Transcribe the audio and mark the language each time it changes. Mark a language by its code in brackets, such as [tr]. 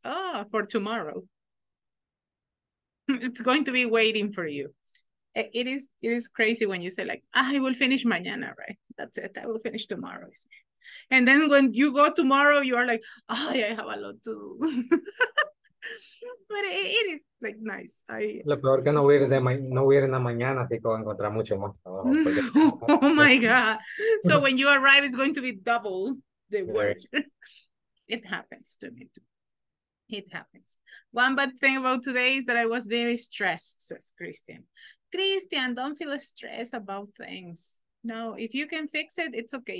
[en] Oh, for tomorrow. It's going to be waiting for you. It is crazy when you say like, ah, I will finish mañana, right? That's it, I will finish tomorrow. And then when you go tomorrow, you are like, oh, yeah, I have a lot to do. But it is like nice. [es] Lo peor que no voy a ir en la mañana, así que voy a encontrar mucho más trabajo. [en] Oh my God. So when you arrive, it's going to be double the work. It happens to me too. It happens. One bad thing about today is that I was very stressed, says Christian. Christian, don't feel stressed about things. No, if you can fix it, it's okay.